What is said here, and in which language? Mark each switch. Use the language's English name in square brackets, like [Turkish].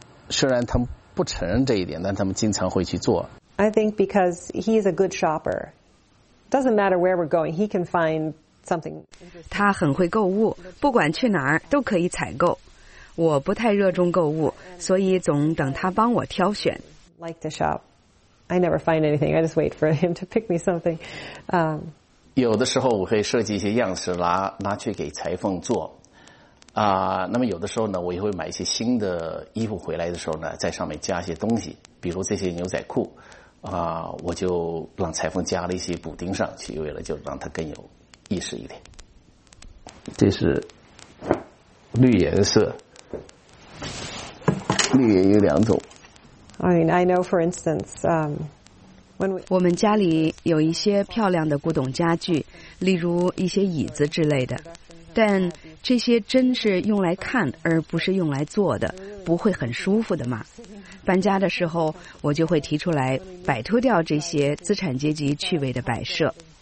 [Chinese] 虽然他们不承认这一点，但他们经常会去做。 [English] I think because he is a good shopper. Doesn't matter where we're going, he can find something. [Chinese] 他很会购物，不管去哪儿都可以采购。我不太热衷购物，所以总等他帮我挑选。 [English] Like to shop. I never find anything. I just wait for him to pick me something. [Chinese] 有的时候我会设计一些样式拿去给裁缝做。那么有的时候呢，我也会买一些新的衣服回来的时候呢，在上面加一些东西，比如这些牛仔裤。我就让裁缝加了一些补丁上去，为了就让它更有意识一点。这是绿颜色，绿颜有两种。 [English] I mean, I know, for instance, when we [Chinese] 我们家里有一些漂亮的古董家具，例如一些椅子之类的，但这些真是用来看而不是用来坐的，不会很舒服的嘛。搬家的时候我就会提出来摆脱掉这些资产阶级趣味的摆设。